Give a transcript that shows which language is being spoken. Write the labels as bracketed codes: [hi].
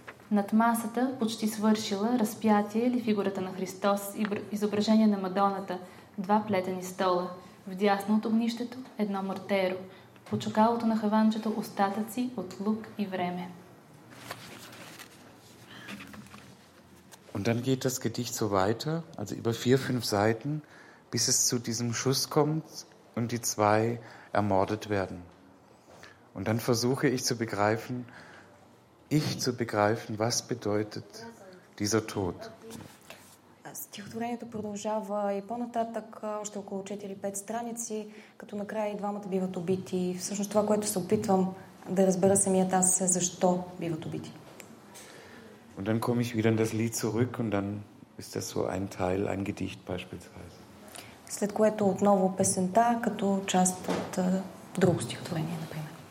[bg] Над масата, почти свършила, разпятие или фигурата на Христос, изображение на Мадоната, два плетени стола. В дясно от огнището едно мортеро. По чукалото на хаванчето остатъци от лук и време. [de] Und dann geht das Gedicht so weiter, also über 4-5 Seiten, bis es zu diesem Schuss kommt und die zwei ermordet werden. Und dann versuche ich zu begreifen, ich zu begreifen, was bedeutet dieser Tod. [bg] Стихотворението продължава и по-нататък, още около 4-5 страници, като накрая и двамата биват убити. Всъщност това, което се опитвам да разбера самият аз, е защо биват убити. [de] Und dann komme ich wieder in das Lied zurück und dann ist das so ein Teil, ein Gedicht beispielsweise. [bg] След което отново песента, като част от друго стихотворение, например.